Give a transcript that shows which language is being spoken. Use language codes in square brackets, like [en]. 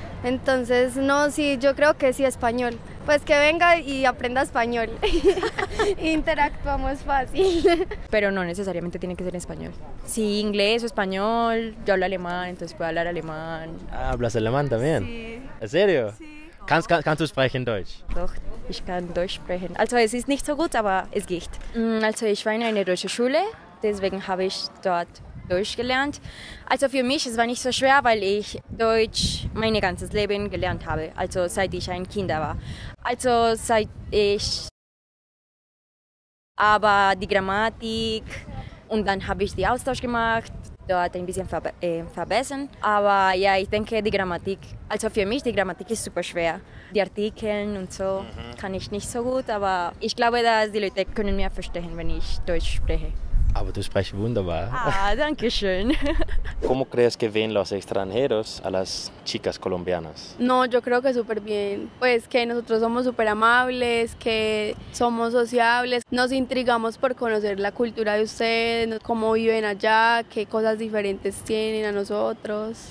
[es] Entonces, no, sí, yo creo que sí español. Pues que venga y aprenda español. Interactuamos fácil. Pero no necesariamente tiene que ser español. Sí, inglés o español. Yo hablo alemán, entonces puedo hablar alemán. Ah, ¿hablas alemán también? Sí. ¿En serio? Sí. [de] ¿Kannst du sprechen Deutsch? Doch, ich kann Deutsch sprechen. Also, es ist nicht so gut, aber es geht. Also, ich war in einer deutschen Schule, deswegen habe ich dort Deutsch gelernt. Also für mich, es war nicht so schwer, weil ich Deutsch mein ganzes Leben gelernt habe, also seit ich ein Kind war. Also seit ich, aber die Grammatik und dann habe ich den Austausch gemacht, dort ein bisschen verbessern. Aber ja, ich denke, die Grammatik, also für mich, die Grammatik ist super schwer. Die Artikel und so kann ich nicht so gut, aber ich glaube, dass die Leute können mir verstehen, wenn ich Deutsch spreche. Aber du sprichst wunderbar. Ah, danke schön. [es] ¿Cómo crees que ven los extranjeros a las chicas colombianas? No, yo creo que súper bien. Pues que nosotros somos súper amables, que somos sociables. Nos intrigamos por conocer la cultura de ustedes, cómo viven allá, qué cosas diferentes tienen a nosotros.